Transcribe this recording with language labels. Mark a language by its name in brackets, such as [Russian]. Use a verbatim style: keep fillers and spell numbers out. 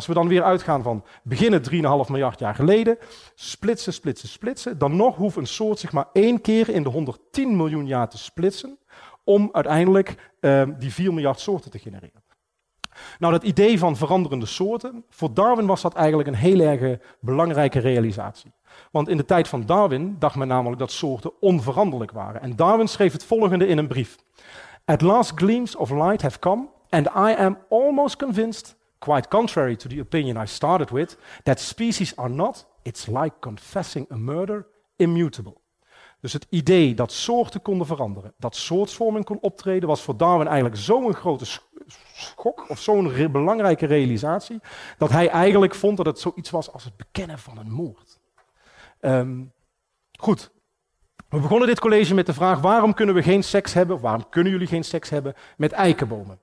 [Dutch] Als we dan weer uitgaan van beginnen drie komma vijf miljard jaar geleden, splitsen, splitsen, splitsen, dan nog hoeft een soort zich maar één keer in de honderdtien miljoen jaar te splitsen om uiteindelijk uh, die vier miljard soorten te genereren. Nou, dat idee van veranderende soorten, voor Darwin was dat eigenlijk een heel erg belangrijke realisatie. Want in de tijd van Darwin dacht men namelijk dat soorten onveranderlijk waren. En Darwin schreef het volgende in een brief. [English] At last gleams of light have come, and I am almost convinced, quite contrary to the opinion I started with, that species are not, it's like confessing a murder, immutable. [Dutch] Dus het idee dat soorten konden veranderen, dat soortvorming kon optreden, was voor Darwin eigenlijk zo'n grote schok of zo'n re- belangrijke realisatie, dat hij eigenlijk vond dat het zoiets was als het bekennen van een moord. Um, goed, we begonnen dit college met de vraag, waarom kunnen we geen seks hebben, of waarom kunnen jullie geen seks hebben met eikenbomen?